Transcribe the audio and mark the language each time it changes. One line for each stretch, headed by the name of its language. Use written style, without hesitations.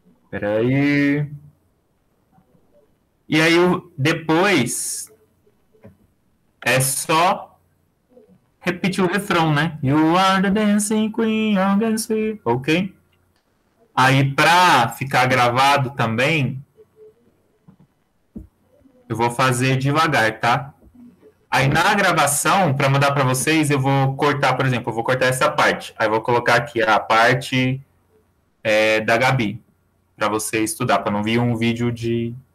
Portuguese: Peraí. E aí, depois, é só repetir o refrão, né?
English: You are the dancing queen, I'll dance. Ok.
Portuguese: Aí, para ficar gravado também, eu vou fazer devagar, tá? Aí, na gravação, para mandar para vocês, eu vou cortar, por exemplo, eu vou cortar essa parte. Aí, eu vou colocar aqui a parte da Gabi, para você estudar, para não vir um vídeo de...